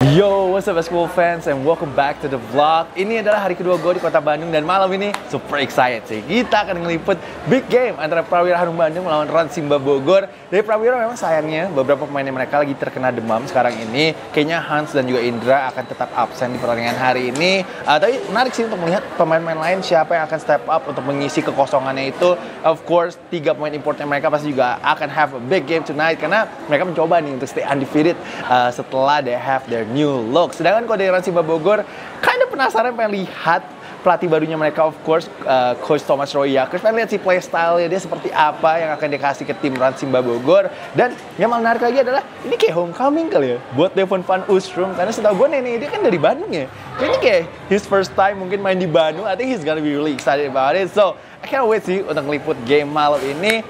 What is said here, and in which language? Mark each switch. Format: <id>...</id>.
<en>Yo, what's up basketball fans and welcome back to the vlog.</en> <id>Ini adalah hari kedua gue di kota Bandung dan malam ini</id> <en>super excited</en> <id>sih. Kita akan ngeliput</id> <en>big game</en> <id>antara Prawira Harum Bandung melawan Rans Simba Bogor. Dari Prawira memang sayangnya beberapa pemain mereka lagi terkena demam sekarang ini. Kayaknya Hans dan juga Indra akan tetap absen di pertandingan hari ini. Tapi menarik sih untuk melihat pemain-pemain lain siapa yang akan</id> <en>step up</en> <id>untuk mengisi kekosongannya itu. Of course, 3 pemain importnya mereka pasti juga akan</id> <en>have a big game tonight.</en> <id>Karena mereka mencoba nih untuk</id> <en>stay undefeated</en> <id>setelah</id> <en>they have their new look.</en> <id>Sedangkan kalau dari Rans Simba Bogor, kind of penasaran pengen lihat pelatih barunya mereka, of course, Coach Thomas Roya. Coach pengen lihat si playstyle-nya dia seperti apa yang akan dikasih ke tim Rans Simba Bogor. Dan yang menarik lagi adalah, ini kayak homecoming kali ya, buat Devon Van Oostrum. Karena setahu gue nenek dia kan dari Bandung ya. Ini kayak</id> <en>his first time</en> <id>mungkin main di Bandung,</id> <en>I think he's gonna be really excited about it. So, I can't wait</en> <id>sih untuk ngeliput game malam ini.</id>